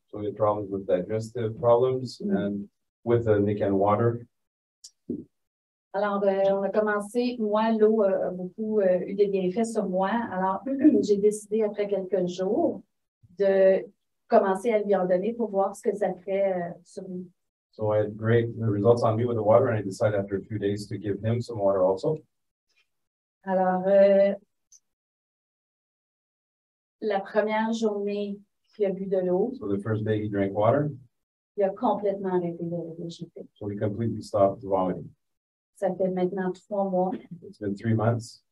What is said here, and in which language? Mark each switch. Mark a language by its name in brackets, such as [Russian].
[French] So, il y a des problèmes avec [English] digestive problems and with the Nikan water. [French] Alors, on a commencé, moi, l'eau a beaucoup eu des bienfaits sur moi. Alors, j'ai décidé après quelques jours de commencer à lui en donner pour voir ce que ça ferait sur lui. [English] So I had great results on me with the water and I decided after a few days to give him some water also. [French] Alors, la première journée qu'il a bu de l'eau. [English] So the first day he drank water. [French] Il a complètement arrêté de régurgiter. [English] So he completely stopped vomiting. [French] Ça fait maintenant 3 mois. [English] It's been 3 months.